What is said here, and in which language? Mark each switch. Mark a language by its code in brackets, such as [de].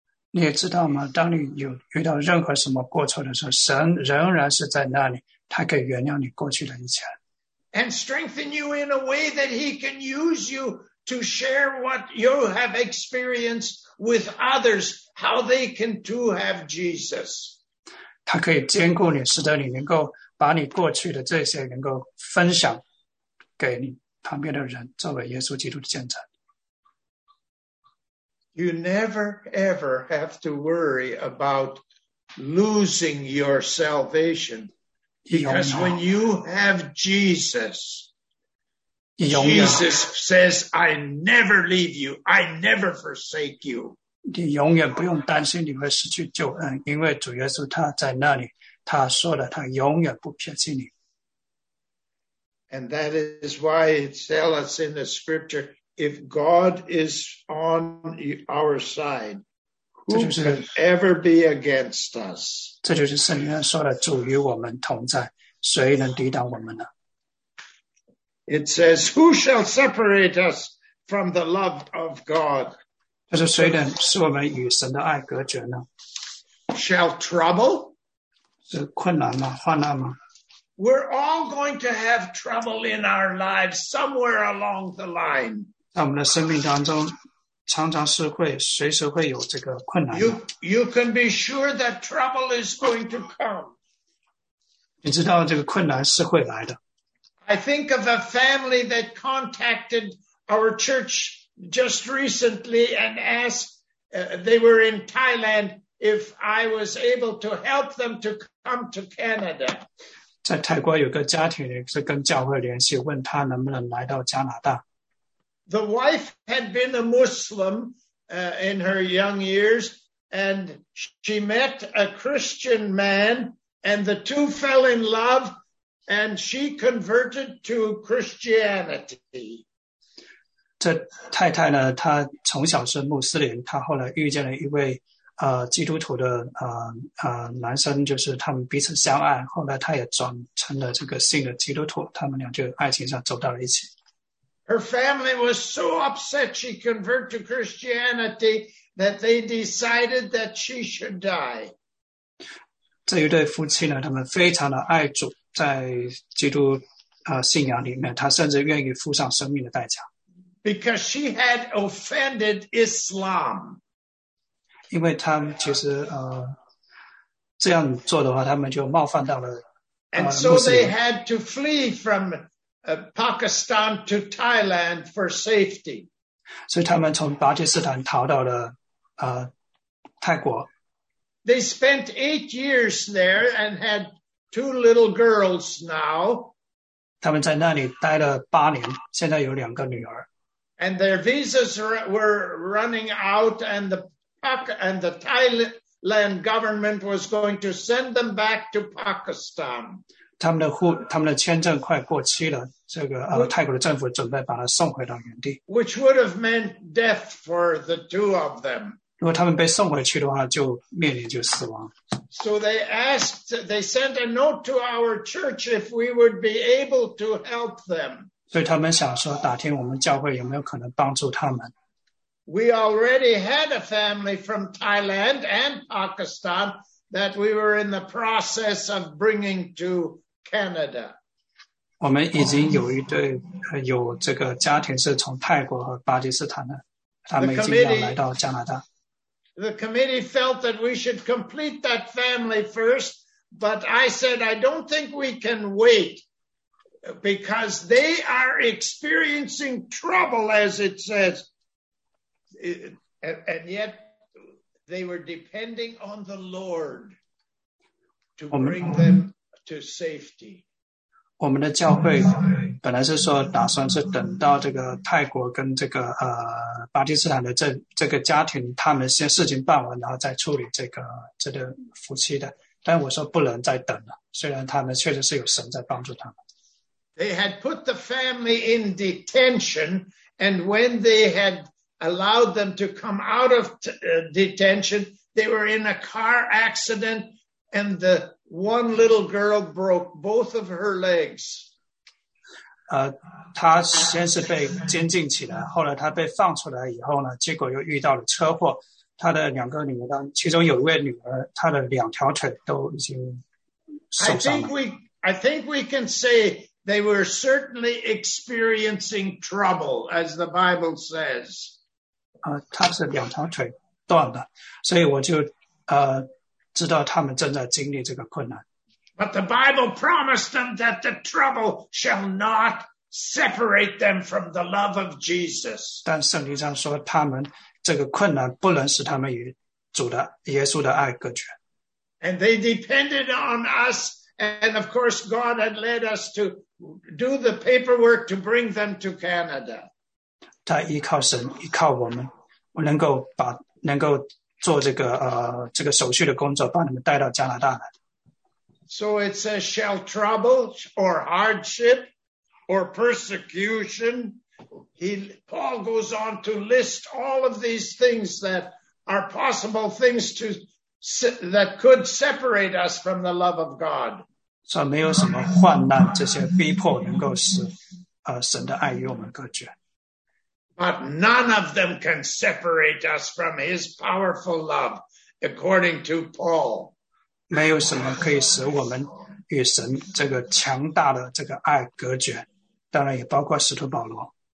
[zh] 你也知道吗？当你有遇到任何什么过错的时候，神仍然是在那里，他可以原谅你过去的一切。 [en] And strengthen you in a way that he can use you to share what you have experienced with others, how they can too have Jesus. [zh] 他可以坚固你，使得你能够把你过去的这些能够分享给你旁边的人，作为耶稣基督的见证。 [en] You never ever have to worry about losing your salvation. Because when you have Jesus, Jesus says, I never leave you, I never forsake you. [zh] 你永远不用担心你会失去救恩，因为主耶稣他在那里，他说的他永远不撇弃你。 [en] And that is why it tells us in the scripture, if God is on our side, who can ever be against us? [zh] 这就是圣经说的，主与我们同在，谁能抵挡我们呢？ [en] It says, who shall separate us from the love of God? [zh] 他说，谁能使我们与神的爱隔绝呢？ [en] Shall trouble? [zh] 是困难吗？患难吗？ [en] We're all going to have trouble in our lives somewhere along the line. [zh] 在我们的生命当中，常常是会，随时会有这个困难。 [en] You can be sure that trouble is going to come. [zh] 你知道这个困难是会来的。 [en] I think of a family that contacted our church just recently and asked, they were in Thailand, if I was able to help them to come to Canada. [zh] 在泰国有个家庭也是跟教会联系，问他能不能来到加拿大。 [en] The wife had been a Muslim, in her young years, and she met a Christian man, and the two fell in love, and she converted to Christianity. [zh] 这太太呢，她从小是穆斯林，她后来遇见了一位基督徒的男生，就是他们彼此相爱，后来他也转成了这个信的基督徒，他们俩就爱情上走到了一起。 [en] Her family was so upset she converted to Christianity that they decided that she should die. [zh] 这一对夫妻呢，他们非常的爱主，在基督信仰里面，他甚至愿意付上生命的代价。 [en] Because she had offended Islam. [zh] 因为他们其实这样做的话，他们就冒犯到了。 [en] And so they had to flee from Pakistan to Thailand for safety. [zh] 所以他们从巴基斯坦逃到了泰国。 [en] They spent 8 years there and had 2 little girls now. [zh] 他们在那里待了8年，现在有2个女儿。 [en] And their visas were running out, and the Thailand government was going to send them back to Pakistan. [zh] 他们的签证快过期了，这个泰国的政府准备把他送回到原地。 [en] Which would have meant death for the two of them. [zh] 如果他们被送回去的话，就面临就死亡。 [en] So they sent a note to our church if we would be able to help them. [zh] 所以他们想说，打听我们教会有没有可能帮助他们。 [en] We already had a family from Thailand and Pakistan that we were in the process of bringing to Canada. [zh] 我们已经有一对有这个家庭是从泰国和巴基斯坦的，他们已经要来到加拿大。 [en] The committee felt that we should complete that family first, but I said, I don't think we can wait because they are experiencing trouble, as it says. And yet they were depending on the Lord to bring them to safety. [zh] 我们的教会本来是说打算是等到这个泰国跟这个巴基斯坦的这个家庭他们先事情办完然后再处理这个夫妻的。但我说不能再等了虽然他们确实是有神在帮助他们。 [en] They had put the family in detention, and when they had allowed them to come out of detention, they were in a car accident, and the one little girl broke both of her legs. [zh] 他先是被监禁起来后来他被放出来以后呢结果又遇到了车祸他的两个女儿其中有一位女儿她的两条腿都已经受伤了。 [en] I think we can say they were certainly experiencing trouble, as the Bible says. [zh] 他是两条腿断的所以我就知道他们正在经历这个困难。 [en] But the Bible promised them that the trouble shall not separate them from the love of Jesus. [zh] 但圣经上说他们这个困难不能使他们与主的耶稣的爱隔绝。 [en] And they depended on us, and of course God had led us to do the paperwork to bring them to Canada. [zh] 他依靠神，依靠我们，能够做这个手续的工作，把你们带到加拿大来。 [en] So it says, shall trouble or hardship or persecution? Paul goes on to list all of these things that are possible things that could separate us from the love of God. [zh] So 没有什么患难这些逼迫能够使神的爱与我们隔绝。 [en] But none of them can separate us from his powerful love, according to Paul. [zh] 没有什么可以使我们与神这个强大的这个爱隔绝，当然也包括使徒保罗。